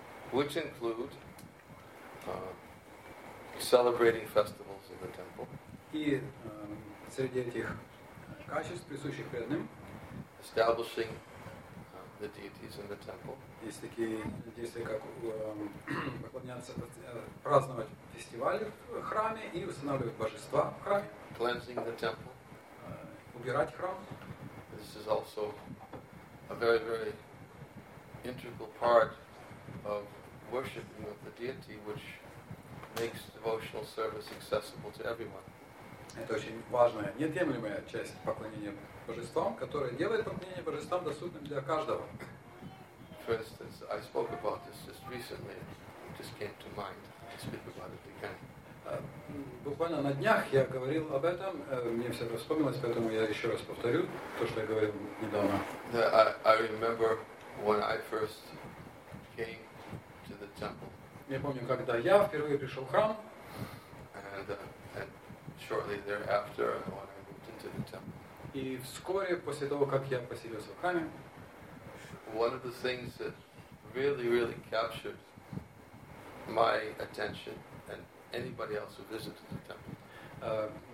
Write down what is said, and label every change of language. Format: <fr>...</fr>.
<en>Which include celebrating festivals in the temple.</en> <ru>И среди этих качеств, присущих преданным,</ru> <en>establishing the deities in the temple.</en> <ru>Есть такие действия, как поклоняться, праздновать фестивали в храме и устанавливать божества в храме.</ru> <en>Cleansing the temple.</en> <ru>Убирать храм.</ru> <en>This is also a very, very integral part of worshiping of the deity, which makes devotional service accessible to everyone.</en> <ru>Это очень важная, неотъемлемая часть поклонения божествам, которая делает поклонение божествам доступным для каждого.</ru> <en>For instance, I spoke about this just recently. It just came to mind to speak about it again.</en> <ru>Буквально на днях я говорил об этом, мне все это вспомнилось, поэтому я еще раз повторю то, что я говорил недавно.</ru> <en>I remember when I first came to the temple.</en> <ru>Я помню, когда я впервые пришел в храм.</ru> <en>And shortly thereafter, when I moved into the temple.</en> <ru>И вскоре после того, как я поселился в храме,</ru> <en>one of the things that really, really captured my attention and anybody else who visited the temple.</en>